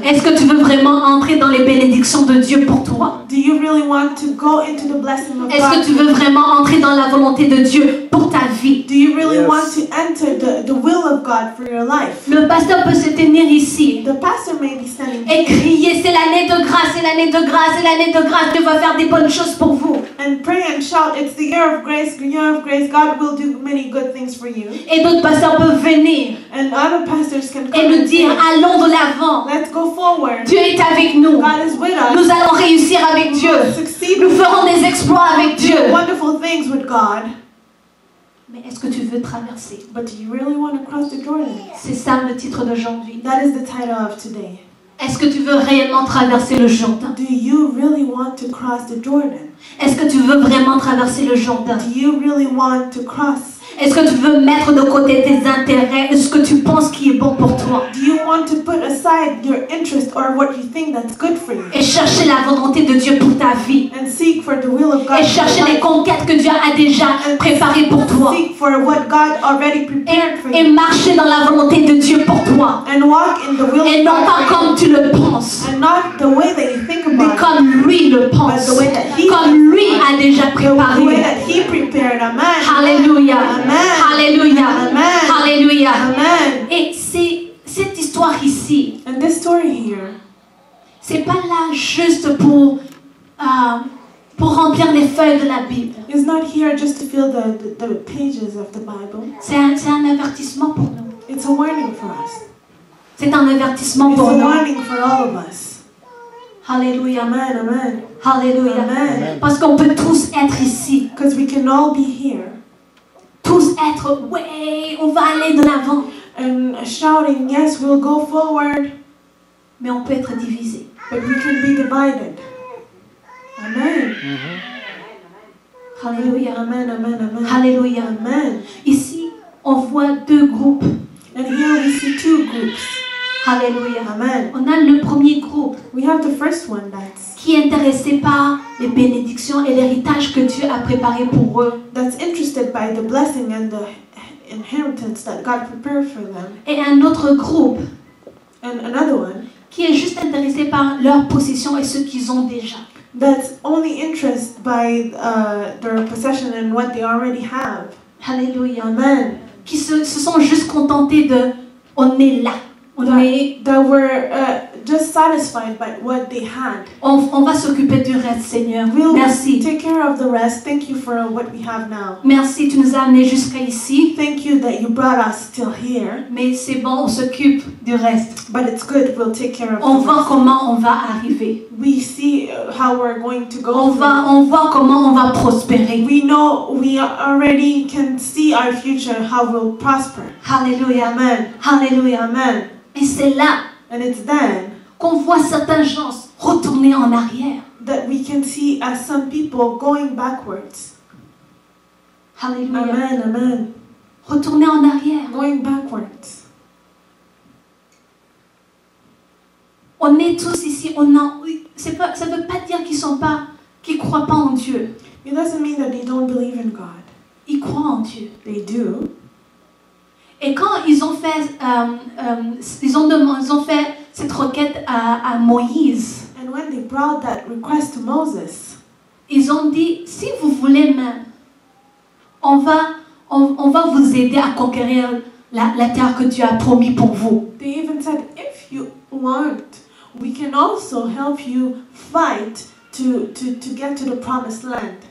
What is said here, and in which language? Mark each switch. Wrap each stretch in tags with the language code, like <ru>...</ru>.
<fr>Est-ce que tu veux vraiment entrer dans les bénédictions de Dieu pour toi?</fr> <en>Do you really want to go into the blessing of God?</en> <fr>Est-ce que tu veux vraiment entrer dans la volonté de Dieu pour ta vie?</fr> <en>Do you really yes. want to enter the will of God for your life?</en> <fr>Le pasteur peut se tenir ici.</fr> <en>The pastor may be standing here.</en> <fr>Et crier, c'est l'année de grâce, c'est l'année de grâce, c'est l'année de grâce. Dieu va faire des bonnes choses pour vous.</fr> <en>And pray and shout, it's the year of grace, the year of grace. God will do many good things for you.</en> <fr>Et d'autres pasteurs peuvent venir.</fr> <en>And other pastors can come</en> <fr>et nous dire, allons de l'avant.</fr> <en>Let's go forward.</en> <fr>Dieu est avec nous.</fr> <en>God is with us.</en> <fr>Nous allons réussir avec Dieu. Nous ferons des exploits avec Dieu.</fr> <en>Wonderful things with God.</en> <fr>Mais est-ce que tu veux traverser?</fr> <en>But do you really want to cross the Jordan?</en> <fr>C'est ça le titre d'aujourd'hui.</fr> <en>That is the title of today.</en> <fr>Est-ce que tu veux réellement traverser le Jourdain?</fr> <en>Do you really want to cross the Jordan?</en> <fr>Est-ce que tu veux vraiment traverser le Jourdain?</fr> <en>Do you really want to cross?</en> <fr>Est-ce que tu veux mettre de côté tes intérêts et ce que tu penses qui est bon pour toi?</fr> <en>Do you want to put aside your interest or what you think that's good for you?</en> <fr>Et chercher la volonté de Dieu pour ta vie.</fr> <en>And seek for the will of God.</en> <fr>Et chercher les conquêtes que Dieu a déjà préparées pour toi.</fr> <en>Seek for what God already prepared for you.</en> <fr>Et marcher dans la volonté de Dieu pour toi.</fr> <en>And walk in the will of God.</en> <fr>Et non pas comme tu le penses.</fr> <en>And not the way that you think about.</en> <fr>Mais comme lui le pense.</fr> <en>But the way that he</en> <fr>comme lui a déjà préparé.</fr> <en>The way that he prepared. Amen. Hallelujah. Amen. Hallelujah. Amen. Hallelujah. Amen.</en> <fr>Et c'est cette histoire ici.</fr> <en>And this story here.</en> <fr>C'est pas là juste pour remplir les feuilles de la Bible.</fr> <en>It's not here just to fill the pages of the Bible.</en> <fr>C'est un avertissement pour nous.</fr> <en>It's a warning for us.</en> <fr>C'est un avertissement pour nous.</fr> <en>It's a warning for all of us. Hallelujah. Amen. Amen. Hallelujah. Amen.</en> <fr>Parce qu'on peut tous être ici.</fr> <en>Because we can all be here.</en> <fr>Tous être ouais, on va aller de l'avant.</fr> <en>And shouting yes, we'll go forward.</en> <fr>Mais on peut être divisé.</fr> <en>But we can be divided. Amen. Mm-hmm. Hallelujah. Amen. Amen. Amen. Hallelujah. Amen.</en> <fr>Ici, on voit deux groupes.</fr> <en>And here we see two groups. Hallelujah. Amen.</en> <fr>On a le premier groupe.</fr> <en>We have the first one that's</en> <fr>qui est intéressé par les bénédictions et l'héritage que Dieu a préparé pour eux.</fr> <en>That's interested by the blessing and the inheritance that God prepared for them.</en> <fr>Et un autre groupe.</fr> <en>And another one.</en> <fr>Qui est juste intéressé par leur possession et ce qu'ils ont déjà.</fr> <en>That's only interested by their possession and what they already have. Hallelujah. Amen.</en> <fr>Qui se sont juste contentés de on est là.</fr> <en>That were just satisfied by what they had.</en> <fr>On va s'occuper du reste, Seigneur.</fr> <en>We'll</en> <fr>merci.</fr> <en>Take care of the rest. Thank you for what we have now.</en> <fr>Merci, tu nous as amenés jusqu'à ici.</fr> <en>Thank you that you brought us till here.</en> <fr>Mais c'est bon, on s'occupe du reste.</fr> <en>But it's good. We'll take care of.</en> <fr>On voit comment on va arriver.</fr> <en>We see how we're going to go.</en> <fr>On voit comment on va prospérer.</fr> <en>We know we already can see our future how we'll prosper. Hallelujah. Amen. Hallelujah. Amen.</en> <fr>Et c'est là</fr> <en>and it's then</en> <fr>qu'on voit certains gens retourner en arrière.</fr> <en>That we can see as some people going backwards. Hallelujah. Amen, amen.</en> <fr>Retourner en arrière.</fr> <en>Going backwards.</en> <fr>On est tous ici, on a, c'est pas, ça ne veut pas dire qu'ils sont pas, qu'ils ne croient pas en Dieu.</fr> <en>It doesn't mean that they don't believe in God.</en> <fr>Ils croient en Dieu.</fr> <en>They do.</en> <fr>Et quand ils ont fait, ils ont fait cette requête à Moïse.</fr> <en>And when they brought that request to Moses,</en> <fr>ils ont dit, si vous voulez, on va vous aider à conquérir la terre que Dieu a promis pour vous.</fr> <en>They even said, if you want, we can also help you fight to get to the promised land.</en>